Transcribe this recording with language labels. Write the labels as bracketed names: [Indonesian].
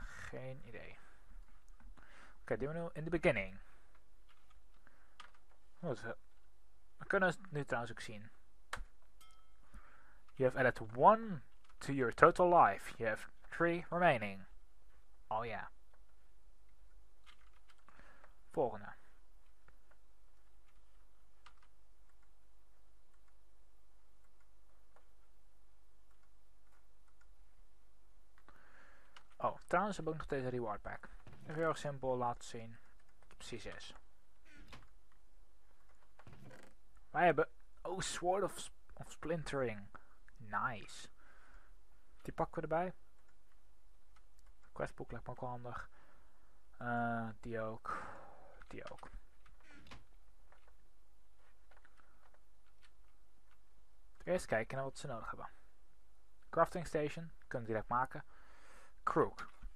[Dutch] Geen idee. Oké, doen we nu [English] in the beginning. [Dutch] Goed. We kunnen het nu trouwens ook zien. [English] You have added one to your total life. You have three remaining. [Dutch] Oh ja. Volgende. Oh, trouwens heb ik nog deze reward pack. Even heel simpel laten zien. Precies is. Wij hebben... Oh, Sword of Splintering. Nice. Die pakken we erbij. Questbook lijkt me ook wel handig. Die ook. Die ook. Eerst kijken naar wat ze nodig hebben. Crafting Station. Kunnen we direct maken. Crook.